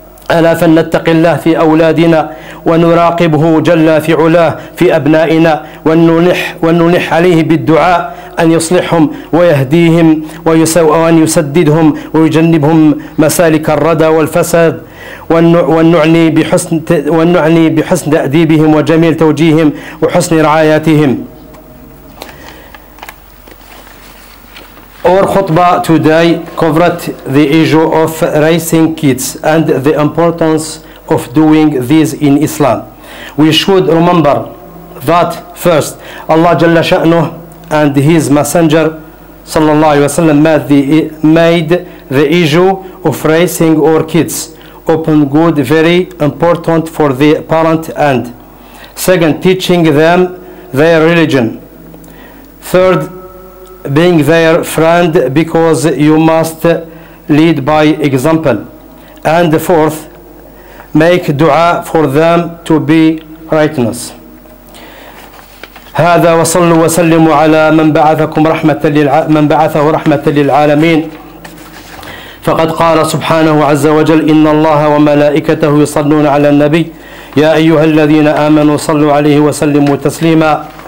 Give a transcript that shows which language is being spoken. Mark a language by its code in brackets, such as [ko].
[ar] ألا فلنتق الله في أولادنا، ونراقبه جل في علاه في أبنائنا، وننح عليه بالدعاء أن يصلحهم ويهديهم وأن يسددهم ويجنبهم مسالك الردى والفساد، ونعني بحسن تأديبهم وجميل توجيههم وحسن رعايتهم. [en] Our khutbah today covered the issue of raising kids and the importance of doing this in Islam. We should remember that first Allah Jalla Sha'nuh and His Messenger Sallallahu Alaihi Wasallam made the issue of raising our kids open good very important for the parent, and second, teaching them their religion. Third, being their friend, because you must lead by example. And fourth, make dua for them to be righteous. [ar] هذا وصلوا وسلموا على من بعثكم رحمة من بعثه رحمة للعالمين. فقد قال سبحانه عز وجل: إن الله وملائكته يصلون على النبي: يا أيها الذين آمنوا صلوا عليه وسلموا تسليما.